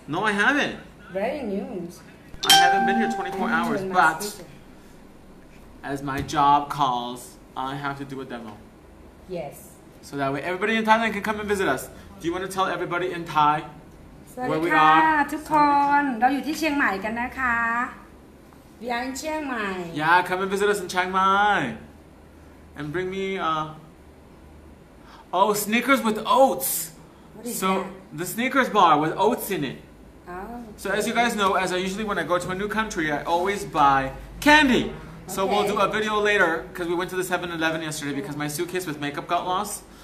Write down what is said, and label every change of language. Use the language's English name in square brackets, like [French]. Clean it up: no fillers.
[English] No, I haven't. Very news. I haven't been here 24 hours, but as my job calls, I have to do a demo. Yes. So that way everybody in Thailand can come and visit us. Do you want to tell everybody in Thai where we are? [Thai] ทุกคนเราอยู่ที่เชียงใหม่กันนะคะ [English] We are in Chiang Mai. Yeah, come and visit us in Chiang Mai. And bring me, Snickers with oats. What is that? The Snickers bar with oats in it. Oh, okay. So as you guys know, as I usually when I go to a new country, I always buy candy. Okay. So we'll do a video later, because we went to the 7-Eleven yesterday because my suitcase with makeup got lost.